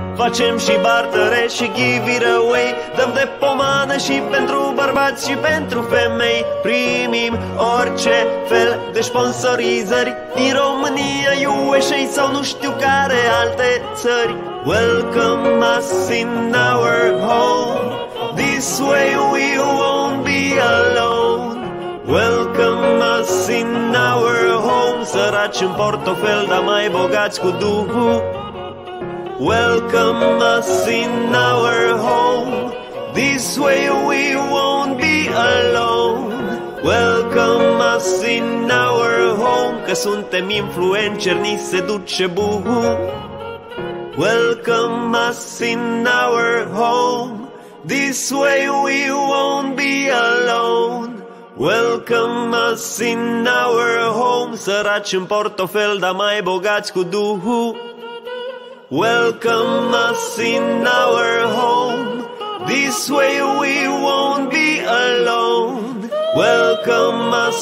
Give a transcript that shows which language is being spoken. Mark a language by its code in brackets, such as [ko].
[ro] Facem și bartere și [en] give it away. [ro] Dăm de pomană și pentru bărbați și pentru femei. Primim orice fel de sponsorizări din România, USA sau nu știu care alte țări. [en] Welcome us in our home. This way we won't be alone. Welcome us in our home. [ro] Săraci în portofel, dar mai bogați cu duhul. [en] Welcome us in our home. This way we won't be alone. Welcome us in our home. [ro] Că suntem influenceri, ni se duce buhu. [en] Welcome us in our home. This way we won't be alone. Welcome us in our home. [ro] Săraci în portofel, dar mai bogați cu duhu. [en] Welcome us in our home. This way we won't be alone. Welcome us